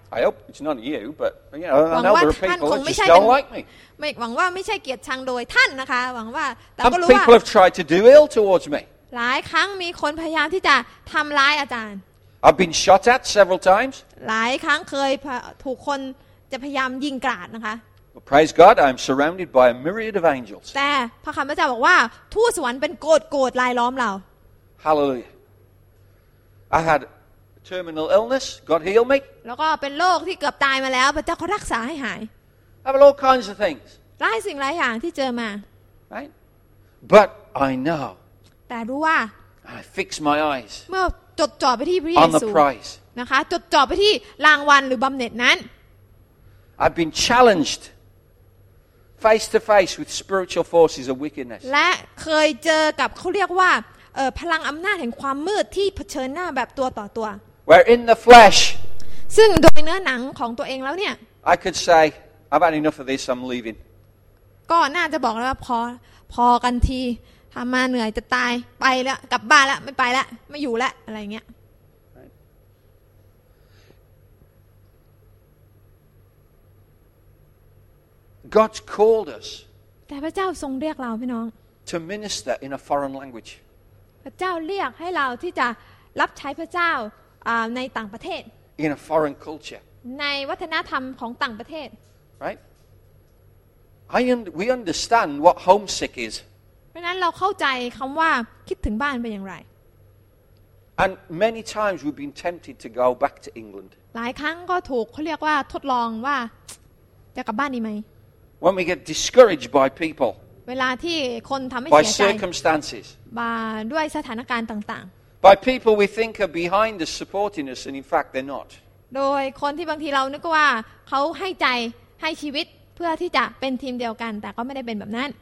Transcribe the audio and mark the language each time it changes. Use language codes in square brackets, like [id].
[en] I hope it's not you but you know there are people that just don't like me [th] ไม่หวังว่าไม่ใช่เกลียดชังโดยท่านนะคะหวังว่าแต่ก็รู้ว่า [en] People have tried to do ill towards me [th] หลายครั้งมีคนพยายามที่จะทำร้ายอาจารย์ [en] I've been shot at several times [th] หลายครั้งเคยถูกคนจะพยายามยิงกราดนะคะ [en] well, Praise God I'm surrounded by a myriad of angels [th] แต่พระคัมภีร์จะบอกว่าทูตสวรรค์เป็นโกรธๆรายล้อมเรา [en] Hallelujah I had terminal illness God healed me [th] แล้วก็เป็นโรคที่เกือบตายมาแล้วพระเจ้าก็รักษาให้หาย [en] I've had all kinds of things [th] หลายสิ่งหลายอย่างที่เจอมา [en] Right But I know [th] แต่รู้ว่า [en] I fix my eyes [th] เมื่อจดจ่อไปที่พระเยซู [en] On the prize [th] นะคะจดจ่อไปที่รางวัลหรือบำเหน็จนั้น [en] I've been challenged face to face with spiritual forces of wickedness. [th] และเคยเจอกับเขาเรียกว่าพลังอำนาจแห่งความมืดที่เผชิญหน้าแบบตัวต่อตัว [en] Where in the flesh. [th] ซึ่งโดยเนื้อหนังของตัวเองแล้วเนี่ย [en] I could say I've had enough of this. I'm leaving. [th] ก็น่าจะบอกแล้วว่าพอกันทีทำมาเหนื่อยจะตายไปแล้วกลับบ้านแล้วไม่ไปแล้วไม่อยู่แล้วอะไรเงี้ย [en] God's called us. [th] แต่พระเจ้าทรงเรียกเราพี่น้อง [en] To minister in a foreign language. [th] พระเจ้าเรียกให้เราที่จะรับใช้พระเจ้าในต่างประเทศ [en] In a foreign culture. [th] ในวัฒนธรรมของต่างประเทศ [en] Right? We understand what homesick is. [th] เพราะนั้นเราเข้าใจคำว่าคิดถึงบ้านเป็นอย่างไร [en] And many times we've been tempted to go back to England. [th] หลายครั้งก็ถูกเขาเรียกว่าทดลองว่า จะกลับบ้านดีไหม [en] When we get discouraged by people [th] เวลาที่คนทำให้เ [en] สียใจ By circumstances [th] มาด้วยสถานการณ์ต่าง [en] ๆ By people we think are behind us supporting us and in fact they're not [th] โดยคนที่บางทีเรานึกว่าเขาให้ใจให้ชีวิตเพื่อที่จะเป็นทีมเดียวกันแต่ก็ไม่ได้เป็นแบบนั้น